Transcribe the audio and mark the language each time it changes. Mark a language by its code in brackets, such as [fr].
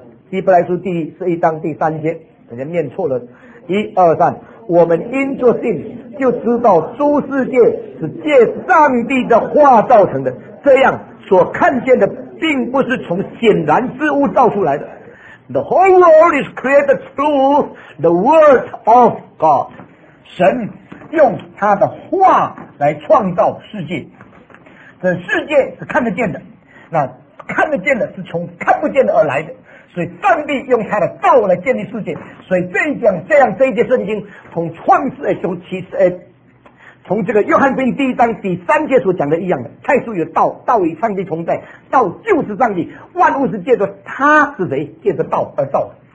[zh] 希伯来书第十一章第三节，人家念错了，一二三，我们因着信就知道诸世界是借上帝的话造成的。这样所看见的并不是从显然之物造出来的。 [en] The whole world is created through the word of God. [zh] 神用他的话来创造世界，这世界是看得见的，那看得见的是从看不见的而来的，所以上帝用他的道来建立世界。所以这一讲这样这一节圣经从创世的时候其实从这个约翰福音第一章第三节所讲的一样的，太初有道，道与上帝同在，道就是上帝，万物是借着他是谁借着道而造的。